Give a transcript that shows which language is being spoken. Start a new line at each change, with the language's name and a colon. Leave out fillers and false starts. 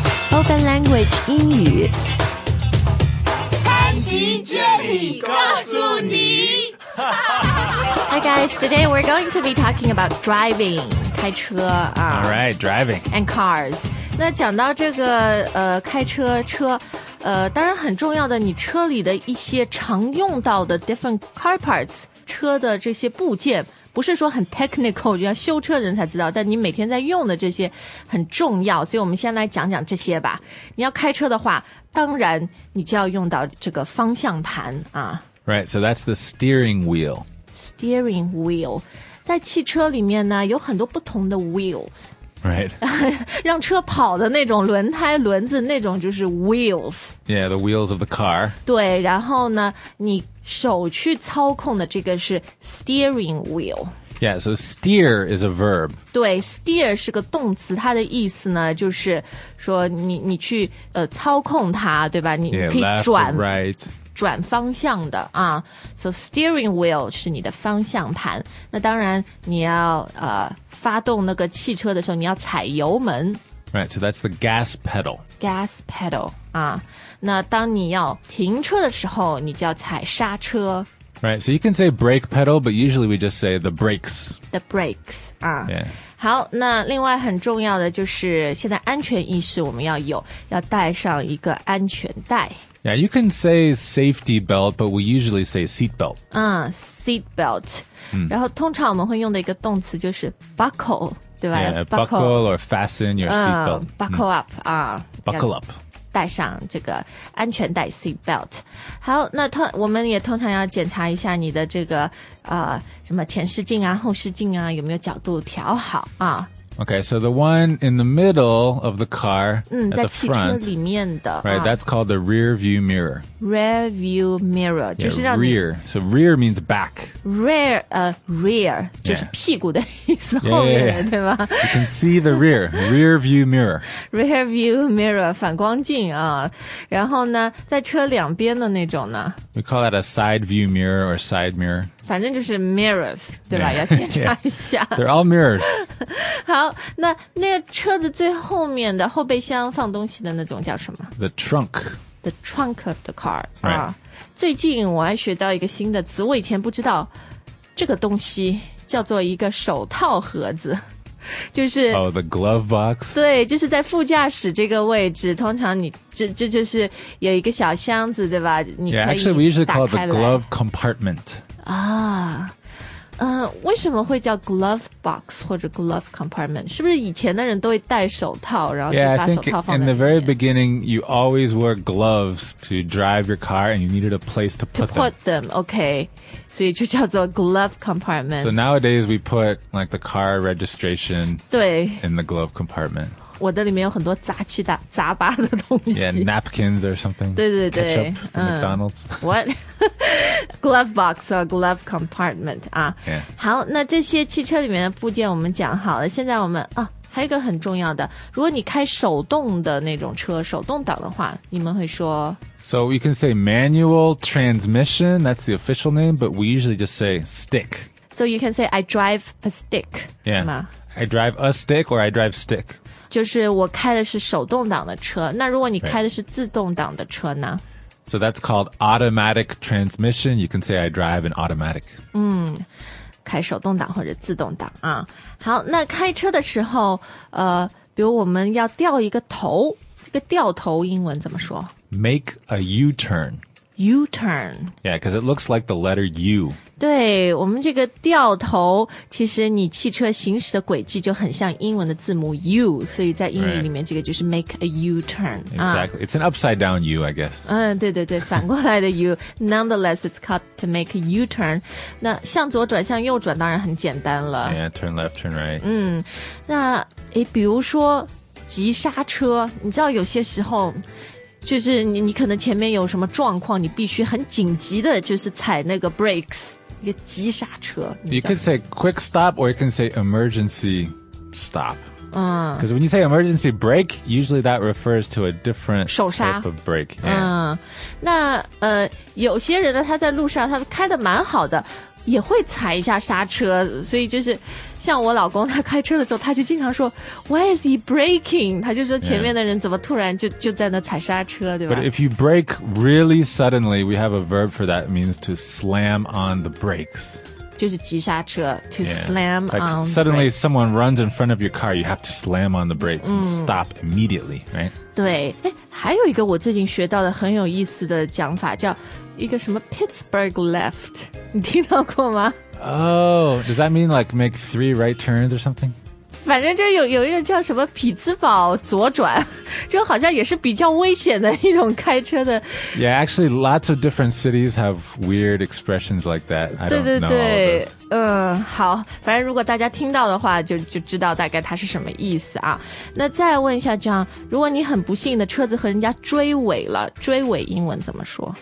Chinese: Open Language 英语，潘吉接力告诉你。
English: Hi guys, today we're going to be talking about driving,
Chinese: 开车啊。
English: All right, driving. And cars.
Chinese: 那讲到这个开车车，当然很重要的，你车里的一些常用到的
English: different car parts,
Chinese: 车的这些部件。不是说很 technical, 要修车人才知道，但你每天在用的这些很重要，所以我们先来讲讲这些吧。你要开车的话，当然你就要用到这个方向盘啊。
English: Right, so that's the steering wheel. Steering wheel.
Chinese: 在汽车里面呢，有很多不同的 wheels.
English: Right.
Chinese: 让车跑的那种轮胎、轮子那种就是 wheels.
English: Yeah, the wheels of the car.
Chinese: 对，然后呢，你手去操控的这个是 steering wheel.
English: Yeah, so steer is a verb.
Chinese: 对 ,steer 是个动词，它的意思呢就是说你去操控它，对吧，你可以转。
English: Yeah, left or right.
Chinese: 转方向的啊、So steering wheel 是你的方向盘，那当然你要发动那个汽车的时候你要踩油门。
English: Right, so that's the gas pedal.
Chinese: Gas pedal 啊、那当你要停车的时候你就要踩刹车。
English: Right, so you can say brake pedal, but usually we just say the brakes. The brakes 啊、 yeah.
Chinese: 好，那另外很重要的就是现在安全意识我们要有，要带上一个安全带。
English: Yeah, you can say safety belt, but we usually say seat belt.
Chinese: Seat belt.、然后通常我们会用的一个动词就是 buckle, 对吧
English: yeah, buckle or fasten your seat belt. Buckle up.、 Buckle up.
Chinese: 带上这个安全带 seat belt. 好，那我们也通常要检查一下你的这个、什么前视镜啊后视镜啊有没有角度调好啊。
English: Okay, so the one in the middle of the car, at the front,
Chinese: 在汽车里面的
English: right,、that's called the rear view mirror. Rear view mirror, yeah,
Chinese: 就是让
English: rear, so rear means back.
Chinese: Rear, rear,、就是屁股的意思
English: yeah.
Chinese: 后面的
English: yeah, yeah, yeah.
Chinese: 对吧
English: You can see the rear, rear view mirror. Rear view mirror, 反光镜啊。
Chinese: 然后呢在车两边的那种呢
English: We call that a side view mirror or side mirror.
Chinese: 反正就是 mirrors, 对吧
English: yeah,
Chinese: 要检查一下。
English: Yeah, they're all mirrors.
Chinese: 好，那个车子最后面的后备箱放东西的那种叫什么
English: ?The trunk. The trunk of the car. Right.、
Chinese: 最近我还学到一个新的词，我以前不知道这个东西叫做一个手套盒子。就是
English: Oh, the glove box.
Chinese: 对，就是在副驾驶这个位置，通常你这就是有一个小箱子，对吧
English: Yeah, actually, we usually call it the glove compartment.
Chinese: 为什么会叫 glove box 或者 glove compartment? 是不是以前的人都会戴手套然后就把手套放在里面
English: Yeah, I think in the very beginning, you always wore gloves to drive your car and you needed a place to put them. To put them, okay.
Chinese: 所以就叫做 glove compartment.
English: So nowadays, we put like the car registration
Chinese: 对
English: in the glove compartment.
Chinese: 我的里面有很多杂八的东西。
English: Yeah, napkins or something.
Chinese: 对对对。
English: Ketchup from McDonald's. What? Glove box or glove compartment 啊、 yeah.
Chinese: 好那这些汽车里面的部件我们讲好了现在我们啊还有一个很重要的如果你开手动的那种车手动挡的话你们会说
English: So you can say manual transmission that's the official name but we usually just say stick So you can say I drive a stick Yeah I drive a stick or I drive stick
Chinese: 就是我开的是手动挡的车那如果你开的是自动挡的车呢、
English: right. So that's called automatic transmission. You can say I drive an automatic.
Chinese: 开手动挡或者自动挡啊。好，那开车的时候，比如我们要掉一个头，这个掉头英文怎么说
English: ？Make a U-turn. U-turn. Yeah, because it looks like the letter U.
Chinese: 对，我们这个掉头，其实你汽车行驶的轨迹就很像英文的字母 U， 所以在英语里面这个就是
English: make a U-turn. Exactly.、It's an upside down U, I guess.
Chinese: 对对对，反过来的 U.
English: Nonetheless, it's called to make a U-turn.
Chinese: 那向左转向右转当然很简单了。
English: Yeah, turn left, turn right.
Chinese: 那比如说急刹车，你知道有些时候就是 你可能前面有什么状况你必须很紧急的就是踩那个 brakes 一个急刹车
English: You can say quick stop or you can say emergency stop Because when you say emergency brake usually that refers to a different type of brake、
Chinese: 那有些人呢他在路上他开得蛮好的也会踩一下刹车，所以就是像我老公他开车的时候，他就经常说
English: Why is he braking?
Chinese: 他就说前面的人怎么突然 就在那踩刹车，对吧？
English: But if you brake really suddenly, we have a verb for that. It means to slam on the brakes.
Chinese: 就是急刹车
English: To slam on the brakes. Suddenly someone runs in front of your car, you have to slam on the brakes and stop immediately, right?
Chinese: 对，还有一个我最近学到的很有意思的讲法叫一个什么 Pittsburgh left 你听到过吗
English: Oh, does that mean like make three right turns or something?
Chinese: 反正就 有一个叫什么匹兹堡左转这好像也是比较危险的一种开车的
English: Yeah, actually lots of different cities have weird expressions like that I don't
Chinese: 对
English: know
Chinese: 对
English: all of those
Chinese: 好反正如果大家听到的话 就知道大概它是什么意思啊那再问一下 John 如果你很不幸的车子和人家追尾了追尾英文怎么说